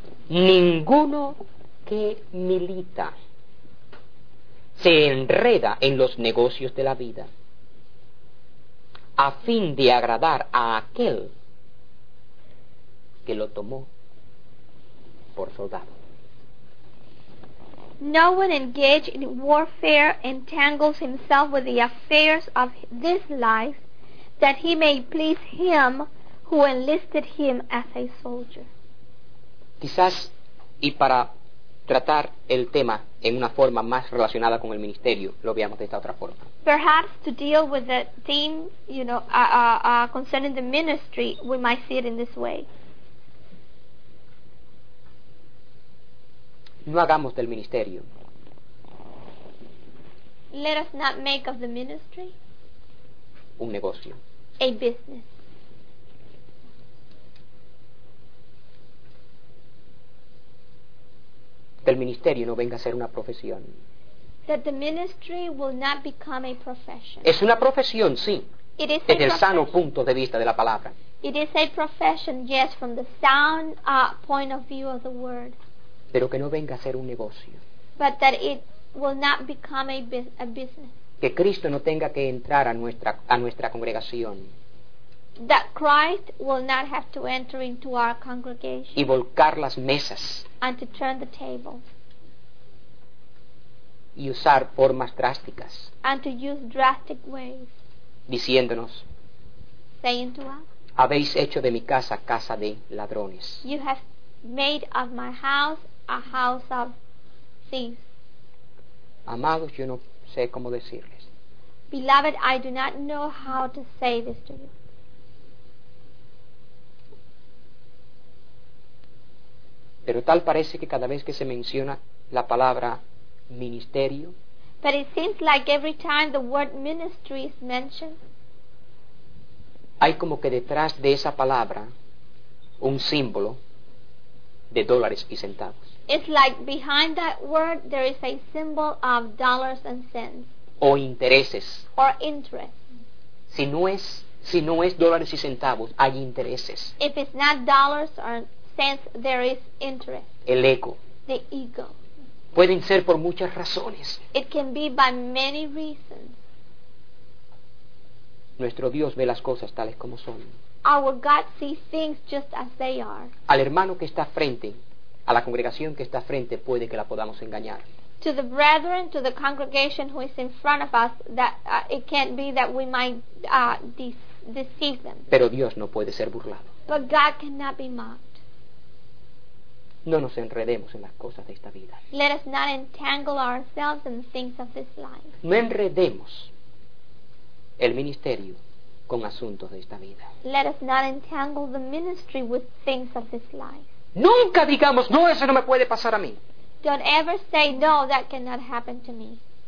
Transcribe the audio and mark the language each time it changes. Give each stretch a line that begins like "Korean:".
Spanish: Ninguno que milita se enreda en los negocios de la vida a fin de agradar a aquel que lo tomó por soldado.
English: No one engaged in warfare entangles himself with the affairs of this life that he may please him who enlisted him as a soldier.
Spanish: Quizás, y para tratar el tema en una forma más relacionada con el ministerio, lo veamos de esta otra forma.
English: Perhaps to deal with the theme, you know, concerning the ministry, we might see it in this way.
Spanish: No hagamos del ministerio.
English: Let us not make of the ministry
Spanish: un negocio.
English: A business.
Spanish: Del ministerio no venga a ser una profesión.
English: That the ministry will not become a profession.
Spanish: Es una profesión, sí.
English: It is a profession.
Spanish: Sano punto de vista de la palabra.
English: It is a profession, yes, from the sound point of view of the word.
Spanish: Pero que no venga a ser un negocio.
English: But that it will not become a business.
Spanish: Que Cristo no tenga que entrar a nuestra congregación.
English: That Christ will not have to enter into our congregation.
Spanish: Y volcar las mesas.
English: And to turn the tables.
Spanish: Y usar formas drásticas.
English: And to use drastic ways.
Spanish: Diciéndonos.
English: Saying to us.
Spanish: Habéis hecho de mi casa casa de ladrones.
English: You have made of my house a house of thieves.
Spanish: Amados, yo no sé cómo decirles.
English: Beloved, I do not know how to say this to you.
Spanish: Pero tal parece que cada vez que se menciona la palabra ministerio,
English: but it seems like every time the word ministry is mentioned,
Spanish: hay como que detrás de esa palabra un símbolo de dólares y centavos.
English: It's like behind that word there is a symbol of dollars and cents.
Spanish: O intereses.
English: Or interest.
Spanish: Si no es dólares y centavos, hay intereses.
English: If it's not dollars or cents, there is interest.
Spanish: El ego.
English: The ego.
Spanish: Pueden ser por muchas razones.
English: It can be by many reasons.
Spanish: Nuestro Dios ve las cosas tales como son.
English: Our God sees things just as they are.
Spanish: Al hermano que está frente, a la congregación que está frente, puede que la podamos engañar.
English: To the brethren, to the congregation who is in front of us, that it can't be that we might deceive them.
Spanish: Pero Dios no puede ser burlado.
English: But God cannot be mocked.
Spanish: No nos enredemos en las cosas de esta vida.
English: Let us not entangle ourselves in things of this life.
Spanish: No enredemos el ministerio con asuntos de esta vida.
English: Let us not entangle the ministry with things of this life.
Spanish: Nunca digamos, no, eso no me puede pasar a mí.
English: Don't ever say, no, that cannot happen to me.